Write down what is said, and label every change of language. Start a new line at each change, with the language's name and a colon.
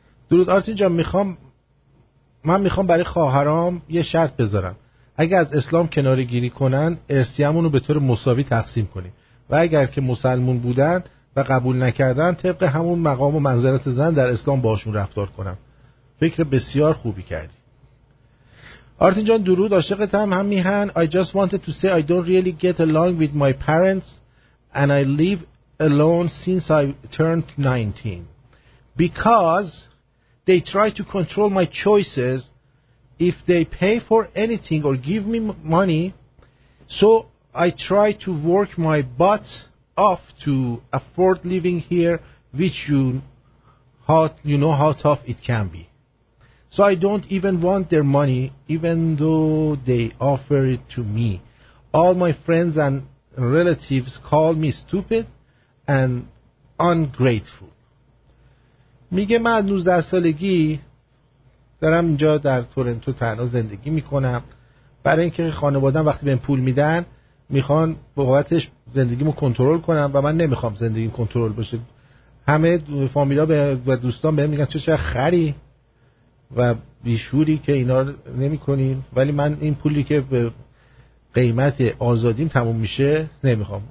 Persian: درود آرتین جان، میخوام من میخوام برای خواهرام یه شرط بذارم، اگه از اسلام کناره گیری کنن ارثیمونو به طور مساوی تقسیم کنیم، و اگر که مسلمون بودن و قبول نکردن طبق همون مقام و منزلت زن در اسلام باشون رفتار کنم. فکر بسیار خوبی کردی آرتین جان. درود، عاشقتم هم میهن.
English: I just wanted to say I don't really get along with my parents and I live alone since I turned 19 because they try to control my choices if they pay for anything or give me money, so I try to work my butt off to afford living here, which you know how tough it can be. So I don't even want their money even though they offer it to me. All my friends and relatives call me stupid and ungrateful.
Persian: میگه من 19 سالگی دارم اینجا در تورنتو تنها زندگی میکنم، برای اینکه خانوادم وقتی بهم پول میدن میخوان بابتش زندگیمو کنترل کنم و من نمیخوام زندگیم کنترل بشه. همه فامیلا و دوستان بهم میگن چه چه خری و بیشوری که اینا نمیکنین، ولی من این پولی که به قیمت آزادیم تموم میشه نمیخوام.